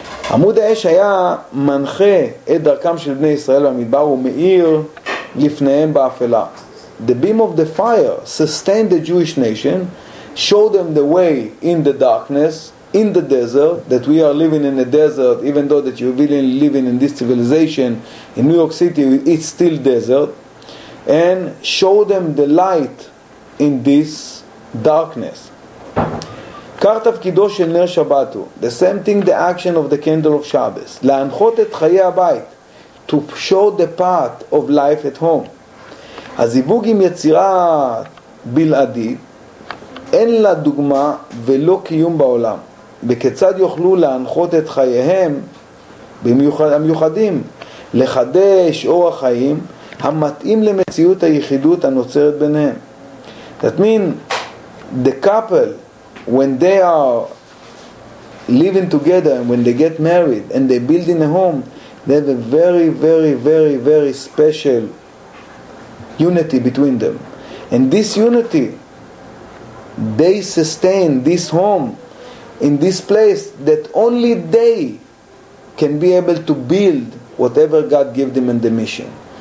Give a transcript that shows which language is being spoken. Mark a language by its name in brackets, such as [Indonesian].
[Hebrew] עמוד האש היה מנחה את דרכם של בני ישראל במדבר ומאיר לפניהם באפלה. [English] The beam of the fire sustained the Jewish nation, showed them the way in the darkness, in the desert, that we are living in a desert, even though that you're living in this civilization, in New York City, it's still desert, and showed them the light in this darkness. [Hebrew] כך תפקידו של נר שבת הוא, [English] the same thing the action of the candle of Shabbos, [Hebrew] להנחות את חיי הבית, [English] to show the path of life at home. [Hebrew] הזיווג עם יצירה בלעדי, אין לה דוגמה ולא קיום בעולם. בכיצד יוכלו להנחות את חייהם המיוחדים, לחדש אורח חיים המתאים למציאות היחידות הנוצרת ביניהם. [English] That means the couple, when they are living together and when they get married and they build in a home, they have a very, very, very, very special unity between them. And this unity, they sustain this home in this place that only they can be able to build whatever God gave them in the mission.